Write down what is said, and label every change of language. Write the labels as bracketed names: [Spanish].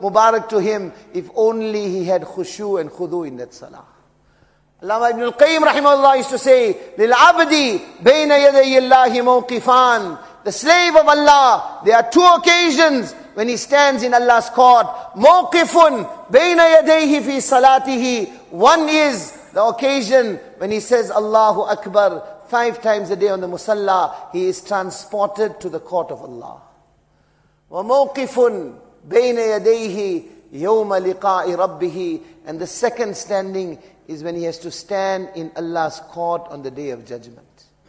[English] Mubarak to him, if only he had khushu and khudu in that salah. Allama ibn al-Qayyim rahimahullah used to say, [Arabic] لِلْعَبْدِ بَيْنَ يَدَيِ اللَّهِ مَوْقِفَانِ. [English] The slave of Allah, there are two occasions when he stands in Allah's court. [Arabic] مَوْقِفٌ بَيْنَ يَدَيْهِ فِي صَلَاتِهِ. [English] One is the occasion when he says Allahu Akbar 5 times a day on the Musalla, he is transported to the court of Allah. [Arabic] وَمَوْقِفٌ بَيْنَ يَدَيْهِ يَوْمَ لِقَاءِ رَبِّهِ. [English] And the second standing is when he has to stand in Allah's court on the day of judgment.